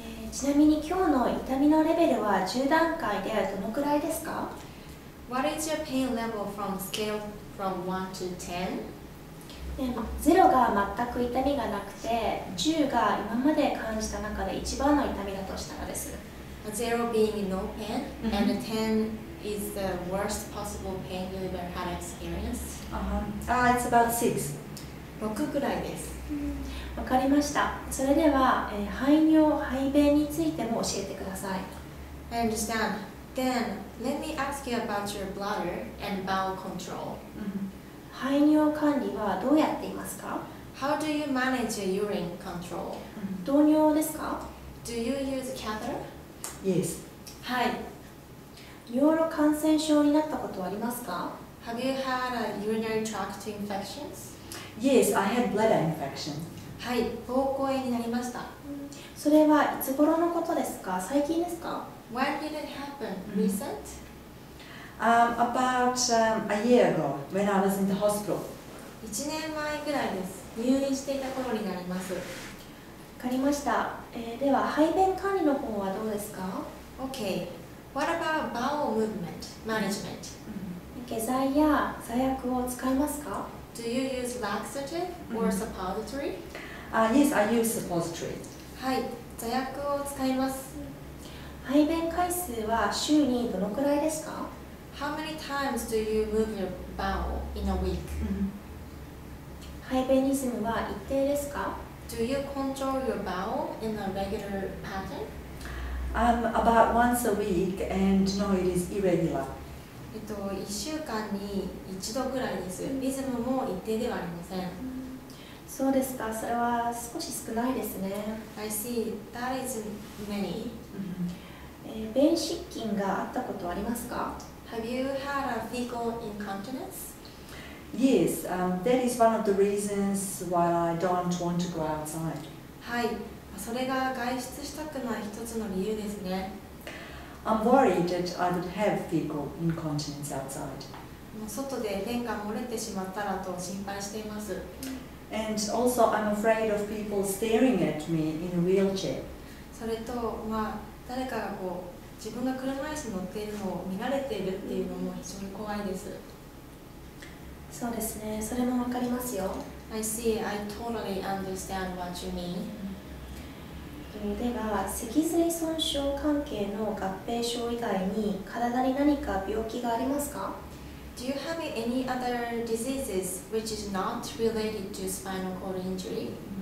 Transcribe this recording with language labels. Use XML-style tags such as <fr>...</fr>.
<ja>ちなみに今日の痛みのレベルは10段階でどのくらいですか?</ja> <en>What is your pain level from scale from 1 to 10?</en> <ja>0が全く痛みがなくて、10が今まで感じた中で一番の痛みだとしたらです。</ja> <en>0 being no pain, and 10 is the worst possible pain you ever had experienced. It's about 6.</en> <ja>6くらいです。わかりました。それでは、排尿、排便についても教えてください。</ja> <en>I understand. Then, let me ask you about your bladder and bowel control.</en> <ja>排尿管理はどうやっていますか?</ja> <en>How do you manage your urine control?</en> <ja>導尿ですか?</ja> <en>Do you use a catheter? Yes.</en> <ja>はい。尿路感染症になったことはありますか?</ja> <en>Have you had a urinary tract infections? Yes, I had bladder infection.</en> <ja>はい、膀胱炎になりました。それはいつ頃のことですか? 最近ですか?</ja> <en>When did it happen? Recent? About a year ago, when I was in the hospital.</en> <ja>1年前ぐらいです。入院していた頃になります。わかりました。では、排便管理の方はどうですか?</ja> <en>Okay. What about bowel movement management?</en> <ja>下剤や座薬を使いますか?</ja> <en>Do you use laxative or suppository? Yes, I use suppository.</en> <ja>はい、座薬を使います。排便回数は週にどのくらいですか?</ja> <en>How many times do you move your bowel in a week?</en> <ja>排便リズムは一定ですか?</ja> <en>Do you control your bowel in a regular pattern? About once a week and no, it is irregular.</en> <ja>1週間に一度ぐらいです。リズムも一定ではありません。そうですか。それは少し少ないですね。</ja> <en>I see. That is many.</en> <ja>便失禁があったことありますか?</ja> <en>Have you had a fecal incontinence? Yes. That is one of the reasons why I don't want to go outside.</en> <ja>はい。それが外出したくない一つの理由ですね。</ja> <en>I'm worried that I would have fecal incontinence outside.</en> <ja>外で便が漏れてしまったらと心配しています。</ja> <en>And also, I'm afraid of people staring at me in a wheelchair.</en> <ja>それと、まあ、誰かがこう自分が車椅子に乗っているのを見られているっていうのも非常に怖いです。そうですね。それもわかりますよ。</ja> <en>I see. I totally understand what you mean.</en> <ja>では、脊髄損傷関係の合併症以外に体に何か病気がありますか?</ja> <en>Do you have any other diseases which is not related to spinal cord injury?</en>